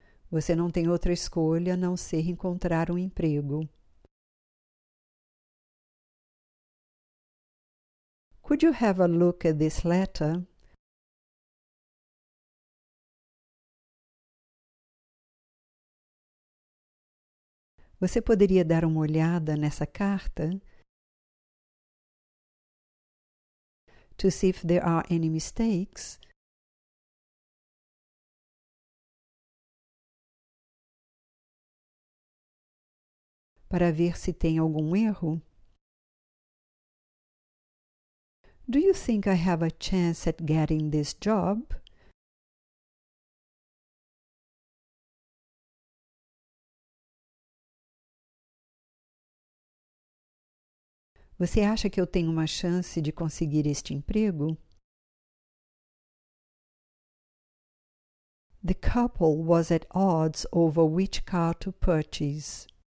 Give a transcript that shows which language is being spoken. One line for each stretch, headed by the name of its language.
Portuguese: Você não tem outra escolha a não ser encontrar emprego.
English: Could you have a look at this letter?
Portuguese: Você poderia dar uma olhada nessa carta?
English: To see if there are any mistakes.
Portuguese: Para ver se tem algum erro.
English: Do you think I have a chance at getting this job?
Portuguese: Você acha que eu tenho uma chance de conseguir este emprego?
English: The couple was at odds over which car to purchase.